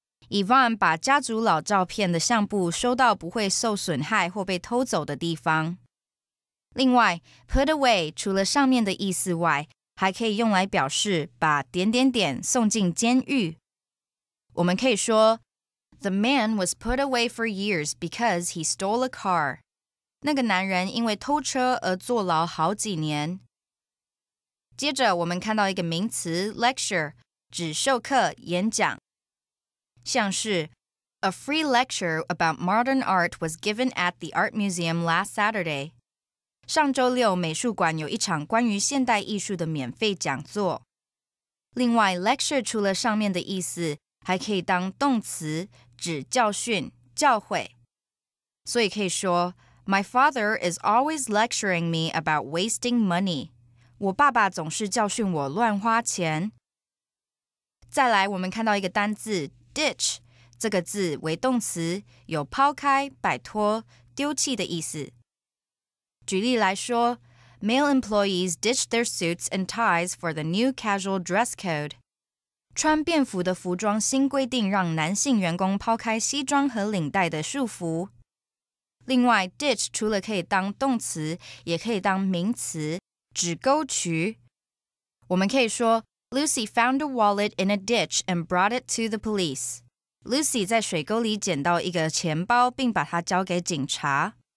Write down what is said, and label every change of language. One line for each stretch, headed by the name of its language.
Chinese: Yvonne 把家族老照片的相簿收到不会受损害或被偷走的地方。另外 ,
English: put away
Chinese: 除了上面的意思外还可以用来表示把点点点送进监狱。我们可以说
English: ,The man was put away for years because he stole a car.
Chinese: 那个男人因为偷车而坐牢好几年。接着我们看到一个名词 lecture, 指授课演讲。像是
English: A free lecture about modern art was given at the art museum last Saturday.
Chinese: 上周六美术馆有一场关于现代艺术的免费讲座。另外 lecture 除了上面的意思还可以当动词指教训、教诲。所以可以说
English: My father is always lecturing me about wasting money.
Chinese: 我爸爸总是教训我乱花钱。再来我们看到一个单字Ditch, 这个字为动词，有抛开、摆脱、丢弃的意思。举例来说
English: ,male employees ditch their suits and ties for the new casual dress code.
Chinese: 穿便服的服装新规定让男性员工抛开西装和领带的束缚。另外 ,ditch 除了可以当动词，也可以当名词，指沟渠。我们可以说
English: Lucy found a wallet in a ditch and brought it to the police.
Chinese: Lucy 在水沟里捡到一个钱包并把它交给警察。